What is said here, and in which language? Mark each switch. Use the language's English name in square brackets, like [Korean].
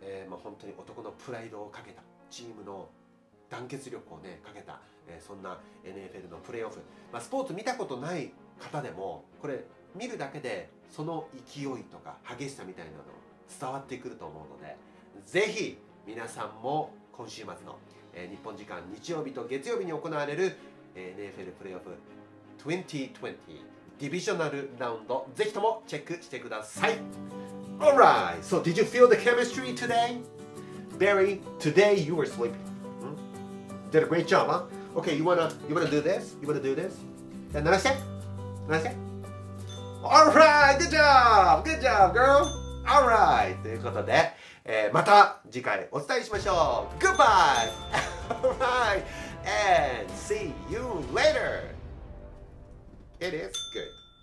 [Japanese] まあ、本当に男のプライドをかけた、チームの団結力をねかけた、そんな NFL のプレーオフ、まあ、スポーツ見たことない方でもこれ見るだけでその勢いとか激しさみたいなの伝わってくると思うので、ぜひ皆さんも今週末の、日本時間日曜日と月曜日に行われる、NFL プレーオフ2020ディビジョナルラウンド、ぜひともチェックしてください。 [English] Alright, so did you feel the chemistry today? Barry, today you were sleeping. Did a great job, huh? Okay, you wanna do this? You wanna do this? [Japanese] 鳴らして鳴らして。 [English] Alright, good job! Good job, girl! Alright! [Japanese] ということで、また次回お伝えしましょう。 [English] Goodbye! Alright! And see you later! It is good.